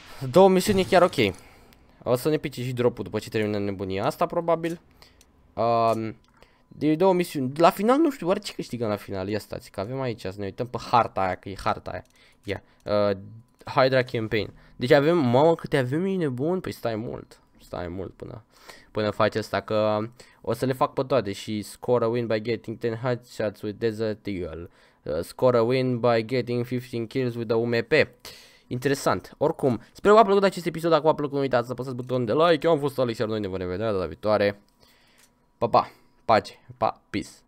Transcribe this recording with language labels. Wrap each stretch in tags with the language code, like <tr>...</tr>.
<ro>Două misiuni chiar ok. O să ne pice și drop-ul după ce termină nebunia asta, probabil. De două misiuni. La final nu știu, oare ce câștigăm la final? Ia stați, că avem aici, să ne uităm pe harta aia, că e harta aia. Ia. Hydra Campaign. Deci avem, mamă, câte avem, e nebun? Păi stai mult. Stai mult până, până faci asta, că o să le fac pe toate.</ro> <en>Și score a win by getting 10 headshots with Desert Eagle. Score a win by getting 15 kills with the UMP.</en> <ro>Interesant. Oricum, sper că v-a plăcut acest episod. Dacă v-a plăcut, nu uitați să apăsați butonul de like. Eu am fost Alex, iar noi ne vom revedea data viitoare. Pa, pa, pace, pa, peace.</ro>